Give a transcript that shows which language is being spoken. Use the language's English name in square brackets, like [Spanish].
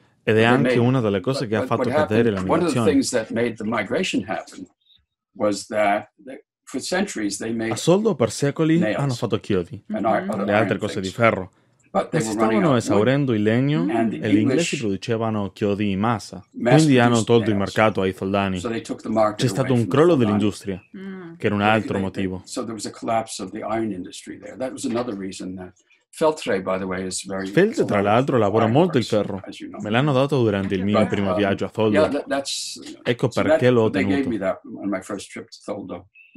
[Italian] Ed è anche una delle cose che ha fatto cadere la migrazione. A Soldo per secoli hanno fatto chiodi e altre cose di ferro. E si stavano esaurendo il legno e gli inglesi producevano chiodi in massa. Quindi hanno tolto il mercato ai soldani. C'è stato un crollo dell'industria. che era un altro motivo. [English] So there was a collapse of the iron industry there. That was another reason that Feltre, by the way, is very [Italian] Feltre, tra l'altro, lavora molto il ferro. Me l'hanno dato durante il mio primo viaggio a Foldo. Ecco perché l'ho ottenuto. [English] They gave me that on my first trip to Foldo.